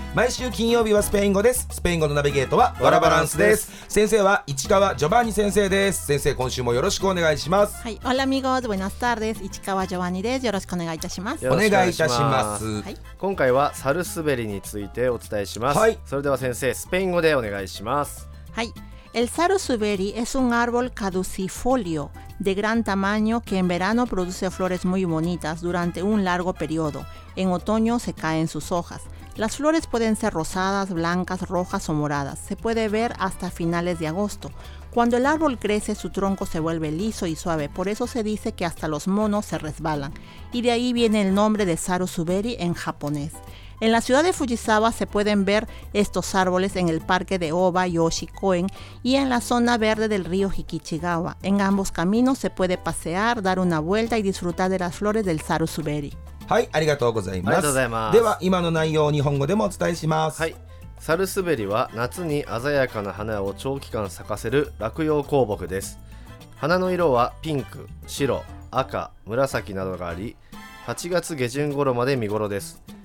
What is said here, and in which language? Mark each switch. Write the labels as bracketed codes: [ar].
[ja] 毎週金曜日はスペイン語です。スペイン語のナビゲートはワラバランスです。先生は市川ジョバンニ先生です。先生、今週もよろしくお願いします。はい、 [es] オラミゴーズ、ブエナスタール [ja] です。市川ジョバンニです。よろしくお願いいたします。お願いいたします。今回はサルスベリについてお伝えします。はい、それでは先生、スペイン語でお願いします。はい。 [es] El zarzuberi es un árbol caducifolio de gran tamaño que en verano produce flores muy bonitas durante un largo periodo. En otoño se caen sus hojas. Las flores pueden ser rosadas, blancas, rojas o moradas. Se puede ver hasta finales de agosto. Cuando el árbol crece, su tronco se vuelve liso y suave. Por eso se dice que hasta los monos se resbalan. Y de ahí viene el nombre de zarzuberi en japonés. En la ciudad de Fujisawa se pueden ver estos árboles en el parque de Oba Yoshikoen y en la zona verde del río Hikichigawa. En ambos caminos se puede pasear, dar una vuelta y disfrutar de las flores del zarzuberi. [ja] はい、ありがとうございます。ありがとうございます。では今の内容を日本語でもお伝えします。はい、サルスベリは夏に鮮やかな花を長期間咲かせる落葉高木です。花の色はピンク、白、赤、紫などがあり、8月下旬頃まで見頃です。